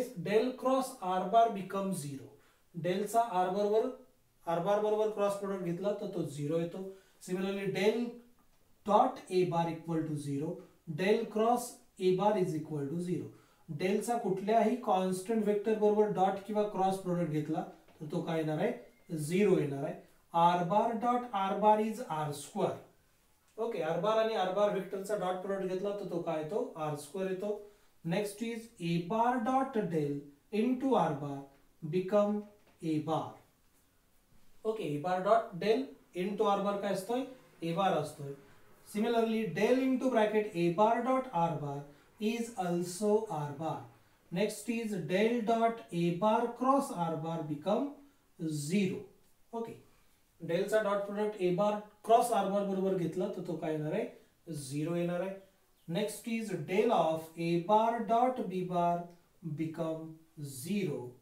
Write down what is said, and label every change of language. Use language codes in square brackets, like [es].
[en] del cross r bar becomes 0, [mr] del cha r bar barobar cross product ghetla tar to 0 yeto, [en] similarly del dot a bar equal to 0, [mr] del cross a bar is equal to 0, डेलचा कुठल्याही constant vector बरोबर dot किंवा cross product घेतला तर तो काय येणार आहे, zero येणार आहे। [en] R bar dot R bar is R square, [mr] okay R बार आणि आर बार वेक्टर चा डॉट प्रोडक्ट घेतला तर तो काय येतो आर स्क्वेअर येतो. [en] Next is A bar dot del into R bar become A bar. [mr] Okay A bar dot del into R बार काय असतोय ए बार असतोय. [en] Similarly del into bracket A bar dot R bar is also R bar. Next is del dot A bar cross R bar become zero. [mr] Okay del चा dot product ए बार cross R बार बरोबर घेतला तर तो काय येणार आहे जीरो येणार आहे. [en] Next is del of A bar dot B bar become zero.